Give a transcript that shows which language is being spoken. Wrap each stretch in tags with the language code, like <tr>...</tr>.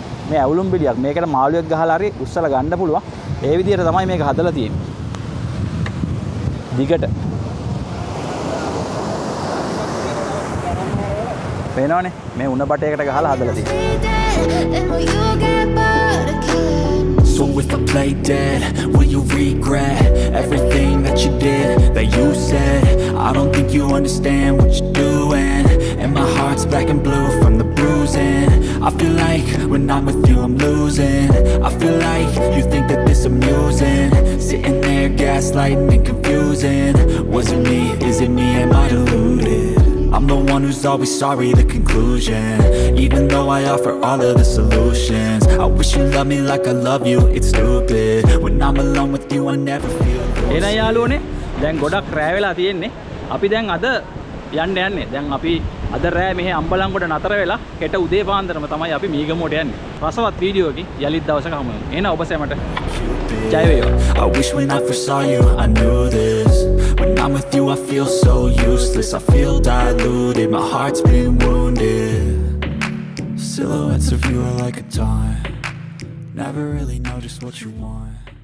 <si>මේ ඇවුලුම් බිලියක් මේකට මාළුවෙක් ගහලා හරි උස්සලා ගන්න පුළුවන් ඒ විදියට තමයි මේක හදලා තියෙන්නේ දිගට පේනවනේ මේ උණ බටයකට ගහලා හදලා තියෙන්නේ</si> <en>So if I play dead, will you regret everything that you did, that you said? I don't think you understand what you're doing And my heart's black and blue from the bruising I feel like when I'm with you I'm losing I feel like you think that this amusing Sitting there gaslighting and confusing Was it me? Is it me? Am I deluded? I'm the one who's always sorry, the conclusion Even though I offer all of the solutions I wish you loved me like I love you, it's stupid When I'm alone with you I never feel close Hey, Yalone, then go to travel at the end,</en> <si>අපි දැන් අද යන්න යන්නේ දැන් අපි අද රෑ මෙහි අම්බලංගොඩ නතර වෙලා හෙට උදේ පාන්දරම තමයි අපි මීගමුවට යන්නේ රසවත් වීඩියෝ එකකින් යලිත් දවසක හමු වෙනවා එහෙනම් ඔබ සැමට ජය වේවා</si> <en>I wish when I first saw you I knew this When I'm with you I feel so useless I feel diluted my heart's been wounded Silhouettes of you are like a taunt Never really know just what you want</en>